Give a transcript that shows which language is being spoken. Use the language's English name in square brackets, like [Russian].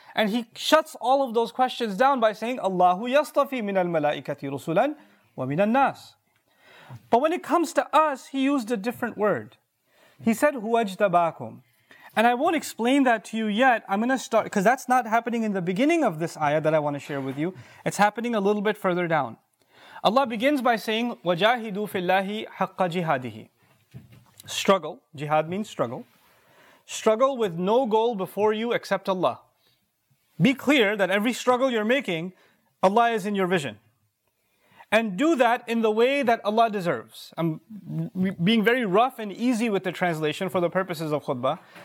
[English] And he shuts all of those questions down by saying, [Arabic] Allahu yastafi min al-malaikati rusulan wa min al-nas. [English] But when it comes to us, he used a different word. He said, huwajtabakum. And I won't explain that to you yet. I'm going to start, because that's not happening in the beginning of this ayah that I want to share with you. It's happening a little bit further down. Allah begins by saying, [Arabic] وَجَاهِدُوا فِي اللَّهِ حَقَّ جِهَادِهِ. [English] Struggle. Jihad means struggle. Struggle with no goal before you except Allah. Be clear that every struggle you're making, Allah is in your vision. And do that in the way that Allah deserves. I'm being very rough and easy with the translation for the purposes of khutbah.